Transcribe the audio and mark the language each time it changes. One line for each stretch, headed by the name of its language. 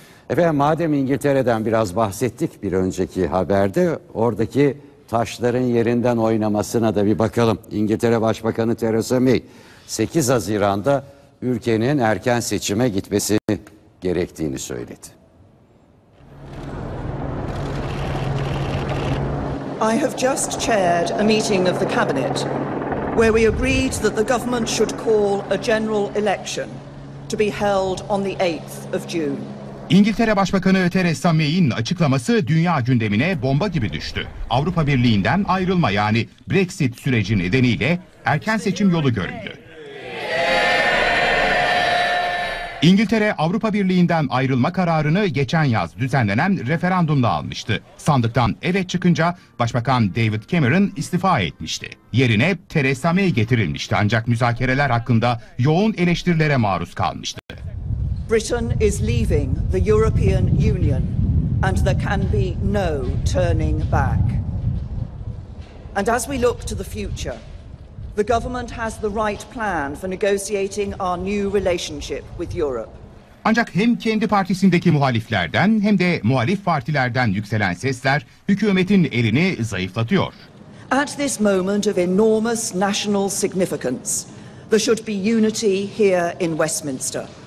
Turkish: Efendim madem İngiltere'den biraz bahsettik bir önceki haberde, oradaki taşların yerinden oynamasına da bir bakalım. İngiltere Başbakanı Theresa May 8 Haziran'da ülkenin erken seçime gitmesini gerektiğini söyledi.
English: I have just chaired a meeting of the cabinet where we agreed that the government should call a general election to be held on the 8th of June.
Turkish: İngiltere Başbakanı Theresa May'in açıklaması dünya gündemine bomba gibi düştü. Avrupa Birliği'nden ayrılma yani Brexit süreci nedeniyle erken seçim yolu göründü. İngiltere Avrupa Birliği'nden ayrılma kararını geçen yaz düzenlenen referandumda almıştı. Sandıktan evet çıkınca Başbakan David Cameron istifa etmişti. Yerine Theresa May getirilmişti ancak müzakereler hakkında yoğun eleştirilere maruz kalmıştı.
English: Britain is leaving the European Union and there can be no turning back. And as we look to the future, the government has the right plan for negotiating our new relationship with Europe.
Turkish: Ancak hem kendi partisindeki muhaliflerden hem de muhalif partilerden yükselen sesler hükümetin elini zayıflatıyor.
English: At this moment of enormous national significance, there should be unity here in Westminster.